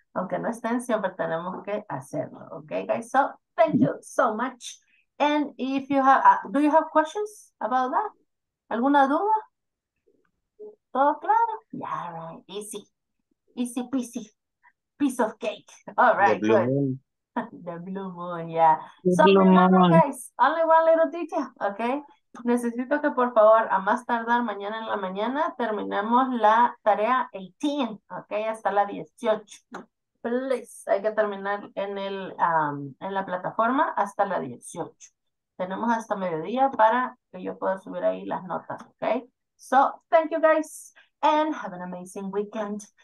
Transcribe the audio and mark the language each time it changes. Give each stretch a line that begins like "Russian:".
Spanish: Aunque no estén, siempre tenemos que hacerlo,
English: okay, guys? So thank you so much. And if you have, do you have questions about that?
Spanish: ¿Alguna duda? ¿Todo claro?
English: Yeah, all right, easy. Easy peasy. Piece of cake. All right, good. The blue moon, yeah. So remember, guys, only one little detail, okay?
Spanish: Necesito que, por favor, a más tardar mañana en la mañana, terminemos la tarea 18, okay? Hasta la 18.
English: Please,
Spanish: hay que terminar en el en la plataforma hasta la 18. Tenemos hasta mediodía para que yo pueda subir ahí las notas, okay?
English: So, thank you, guys, and have an amazing weekend.